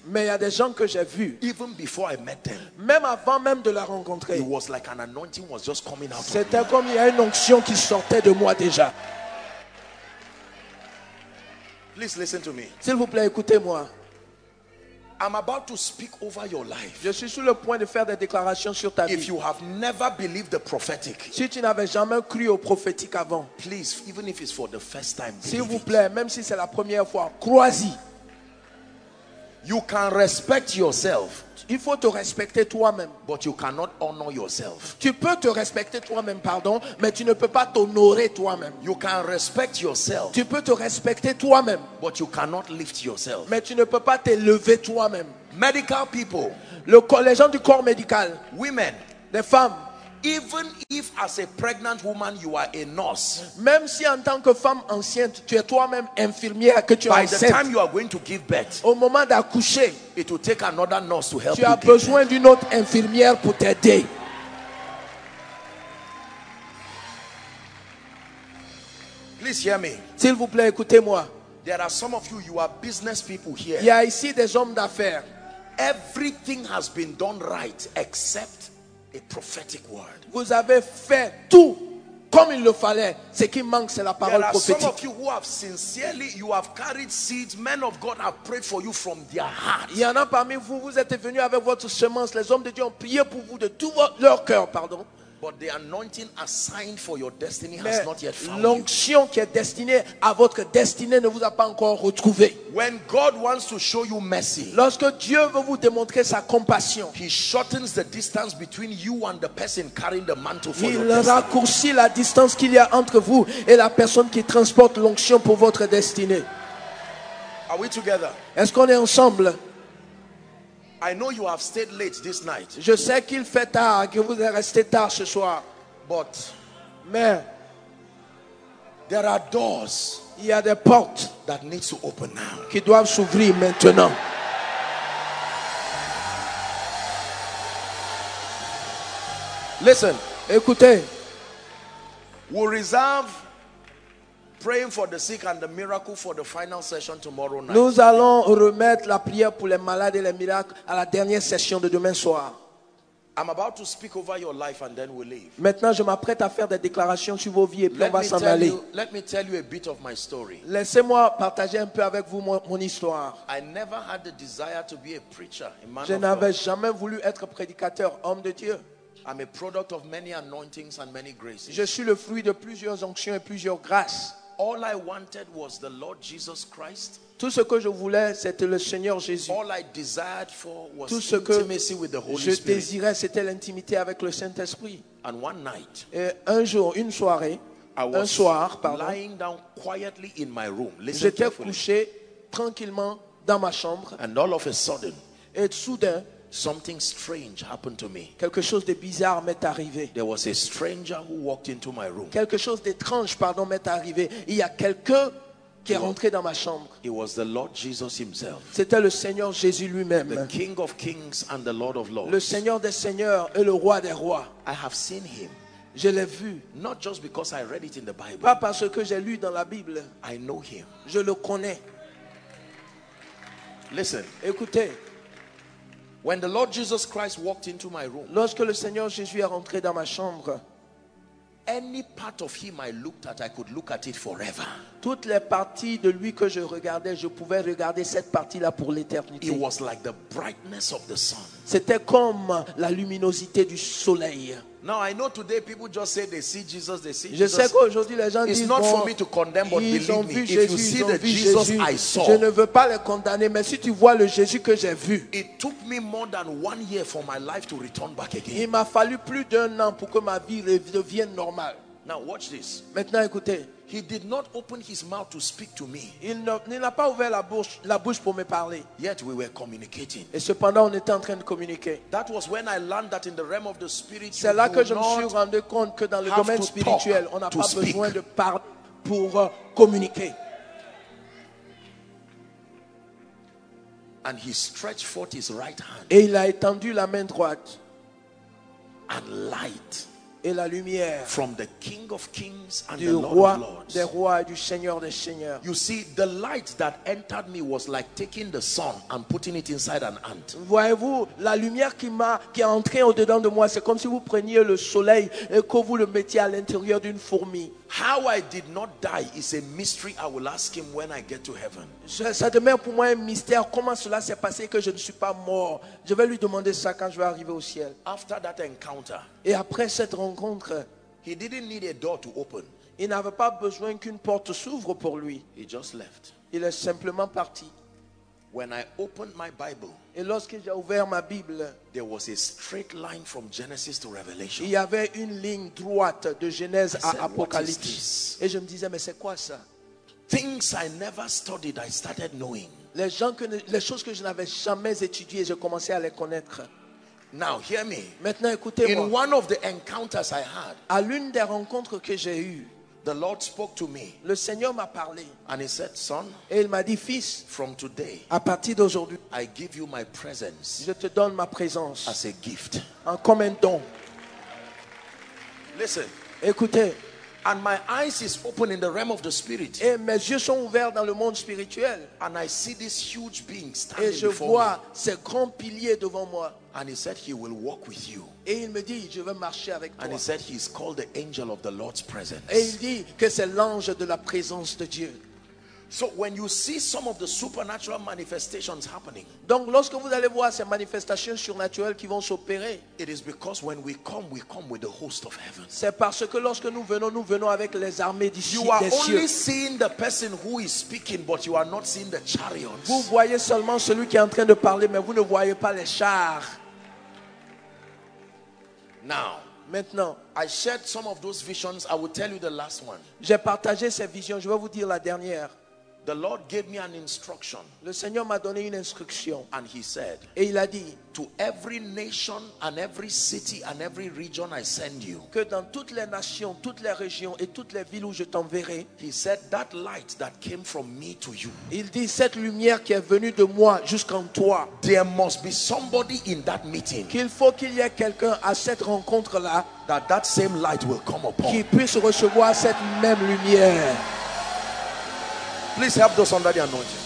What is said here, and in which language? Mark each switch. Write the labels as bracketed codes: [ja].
[fr] Mais il y a des gens que j'ai vus. [en] Even before I met them. [fr] Même avant même de la rencontrer. [en] It was like an anointing was just coming out. [fr] C'était comme il y a une onction qui sortait de moi déjà. [en] Please listen to me. [fr] S'il vous plaît, écoutez-moi. [en] I'm about to speak over your life. [fr] Je suis sur le point de faire des déclarations sur ta vie. [en] If you have never believed the prophetic, [fr] si tu n'avais jamais cru au prophétique avant, [en] please, even if it's for the first time, [fr] s'il vous plaît, même si c'est la première fois, crois-y. [en] You can respect yourself. [fr] Il faut te respecter toi-même. [en] But you cannot honor yourself. [fr] Tu peux te respecter toi-même, pardon, mais tu ne peux pas t'honorer toi-même. [en] You can respect yourself. [fr] Tu peux te respecter toi-même. [en] But you cannot lift yourself. [fr] Mais tu ne peux pas t'élever toi-même. [en] Medical people. [fr] Les gens du corps médical. [en] Women. [fr] Les femmes. [en] Even if as a pregnant woman you are a nurse, [fr] même si en tant que femme enceinte tu es toi-même infirmière que tu [en] by the time you are going to give birth, [fr] au moment d'accoucher, [en] it will take another nurse to help you. [fr] Tu as besoin d'une autre infirmière pour t'aider. [en] Please hear me. [fr] S'il vous plaît, écoutez-moi. [en] There are some of you are business people here. [fr] Il y a ici des hommes d'affaires. [en] Everything has been done right except a prophetic word. [fr] Vous avez fait tout comme il le fallait. Ce qui manque, c'est la parole prophétique. [en] There are some of you who have sincerely, you have carried seeds. Men of God have prayed for you from their heart. [fr] Il y en a parmi vous, vous êtes venus avec votre semence. Les hommes de Dieu ont prié pour vous de tout leur cœur, pardon. [en] But the anointing assigned for your destiny has not yet found you. [fr] L'onction qui est destinée à votre destinée ne vous a pas encore retrouvé. [en] When God wants to show you mercy, [fr] lorsque Dieu veut vous démontrer sa compassion, [en] he shortens the distance between you and the person carrying the mantle for your destiny. [fr] Il raccourcit la distance qu'il y a entre vous et la personne qui transporte l'onction pour votre destinée. [en] Are we together? [fr] Est-ce qu'on est ensemble? [en] I know you have stayed late this night. [fr] Je sais qu'il fait tard, que vous êtes resté tard ce soir. [en] But man, there are doors. [fr] Il y a des portes [en] that need to open now. [fr] Qui doivent s'ouvrir maintenant. [en] Listen, [fr] écoutez. [en] We reserve praying for the sick and the miracle for the final session tomorrow night. [fr] Nous allons remettre la prière pour les malades et les miracles à la dernière session de demain soir. [en] I'm about to speak over your life and then we'll leave. [fr] Maintenant, je m'apprête à faire des déclarations sur vos vies et puis on va s'en aller. [en] Let me tell you a bit of my story. [fr] Laissez-moi partager un peu avec vous mon histoire. [en] I never had the desire to be a preacher, a man of God. [fr] Je n'avais jamais voulu être prédicateur, homme de Dieu. [en] I'm a product of many anointings and many graces. [fr] Je suis le fruit de plusieurs onctions et plusieurs grâces. [en] All I wanted was the Lord Jesus Christ. [fr] Tout ce que je voulais, c'était le Seigneur Jésus. [en] All I desired for was [fr] tout ce que [en] intimacy with the Holy [fr] je [en] Spirit. [fr] Désirais, c'était l'intimité avec le Saint-Esprit. [en] And one night, [fr] et un jour, une soirée, [en] I was [fr] un soir, pardon, [en] lying down quietly in my room. Listen [fr] j'étais [en] carefully. [fr] Couché tranquillement dans ma chambre. [en] And all of a sudden, [fr] et soudain, [en] something strange happened to me. [fr] Quelque chose de bizarre m'est arrivé. [en] There was a stranger who walked into my room. [fr] Quelque chose d'étrange, pardon, m'est arrivé. Il y a quelqu'un qui est rentré dans ma chambre. [en] It was the Lord Jesus himself. [fr] C'était le Seigneur Jésus lui-même. [en] The King of Kings and the Lord of Lords. [fr] Le Seigneur des Seigneurs et le Roi des Rois. [en] I have seen him. [fr] Je l'ai vu. [en] Not just because I read it in the Bible. [fr] Pas parce que j'ai lu dans la Bible. [en] I know him. [fr] Je le connais. [en] Listen. [fr] Écoutez. [en] When the Lord Jesus Christ walked into my room, [fr] lorsque le Seigneur Jésus est rentré dans ma chambre, [en] any part of him I looked at, I could look at it forever. [fr] Toutes les parties de lui que je regardais, je pouvais regarder cette partie-là pour l'éternité. [en] It was like the brightness of the sun. [fr] C'était comme la luminosité du soleil. [en] Now I know today people just say they see Jesus, they see [fr] je [en] Jesus. [fr] Je sais qu'aujourd'hui les gens [en] it's [fr] disent [en] not [fr] bon, [en] for me to condemn, but believe me, [fr] ils ont vu [en] if [fr] Jésus, [en] you see [fr] ils ont [en] the [fr] vu [en] Jesus [fr] Jésus, [en] I saw. [fr] Je ne veux pas les condamner, mais si tu vois le Jésus que j'ai vu. [en] It took me more than 1 year for my life to return back again. [fr] Il m'a fallu plus d'un an pour que ma vie redevienne normale. [en] Now watch this. [fr] Maintenant écoutez. [en] He did not open his mouth to speak to me. [fr] Il n'a pas ouvert la bouche pour me parler. [en] Yet we were communicating. [fr] Et cependant, on était en train de communiquer. [en] That was when I learned that in the realm of the spirit, [fr] c'est là que je me suis rendu compte que dans le domaine spirituel, on n'a pas besoin de parler pour communiquer. [en] And he stretched forth his right hand. [fr] Et il a étendu la main droite. [en] And light [fr] et la lumière. [en] From the King of Kings and the Lord of Lords. [fr] Des rois et du Seigneur des Seigneurs. [en] You see, the light that entered me was like taking the sun and putting it inside an ant. [fr] Voyez-vous, la lumière qui est entrée au-dedans de moi, c'est comme si vous preniez le soleil et que vous le mettiez à l'intérieur d'une fourmi. [en] How I did not die is a mystery I will ask him when I get to heaven. [fr] Ça demeure pour moi un mystère. Comment cela s'est passé que je ne suis pas mort? Je vais lui demander ça quand je vais arriver au ciel. [en] After that encounter, [fr] et après cette rencontre, [en] he didn't need a door to open. [fr] Il n'avait pas besoin qu'une porte s'ouvre pour lui. [en] He just left. [fr] Il est simplement parti. [en] When I opened my Bible, [fr] et lorsque j'ai ouvert ma Bible, [en] there was a straight line from Genesis to Revelation. [fr] Il y avait une ligne droite de Genèse à Apocalypse. Et je me disais, mais c'est quoi ça? [en] Things I never studied, I started knowing. [fr] Les choses que je n'avais jamais étudiées, je commençais à les connaître. [en] Now hear me. [fr] Maintenant écoutez-moi. [en] In one of the encounters I had, [fr] à l'une des rencontres que j'ai eues, [en] the Lord spoke to me. [fr] Le Seigneur m'a parlé. [en] And he said, son, [fr] et il m'a dit, fils, [en] from today, [fr] à partir d'aujourd'hui, [en] I give you my presence. [fr] Je te donne ma présence [en] as a gift. [fr] En comme un don. [en] Listen. [fr] Écoutez. [en] And my eyes is open in the realm of the spirit. [fr] Et mes yeux sont ouverts dans le monde spirituel. [en] And I see this huge being standing before me. [fr] Et je vois ces grands piliers devant moi. [en] And he said he will walk with you. [fr] Et il me dit, je vais marcher avec toi. [en] And he said he is called the angel of the Lord's presence. [fr] Et il dit que c'est l'ange de la présence de Dieu. [en] So when you see some of the supernatural manifestations happening, [fr] donc lorsque vous allez voir ces manifestations surnaturelles qui vont s'opérer, [en] it is because when we come with the host of heaven. [fr] C'est parce que lorsque nous venons avec les armées des cieux. [en] You are only seeing the person who is speaking, but you are not seeing the chariots. [fr] Vous voyez seulement celui qui est en train de parler, mais vous ne voyez pas les chars. [en] Now. [fr] Maintenant, [en] I shared some of those visions. I will tell you the last one. [fr] J'ai partagé ces visions. Je vais vous dire la dernière. [en] The Lord gave me an instruction. [fr] Le Seigneur m'a donné une instruction. [en] And he said, [fr] et il a dit, [en] to every nation and every city and every region I send you. [fr] Que dans toutes les nations, toutes les régions et toutes les villes où je t'enverrai, [en] he said that light that came from me to you. [fr] Il dit cette lumière qui est venue de moi jusqu'en toi. [en] There must be somebody in that meeting. [fr] Qu'il faut qu'il y ait quelqu'un à cette rencontre là, [en] that same light will come upon. [fr] Qui puisse recevoir cette même lumière. [en] Please help those under the anointing.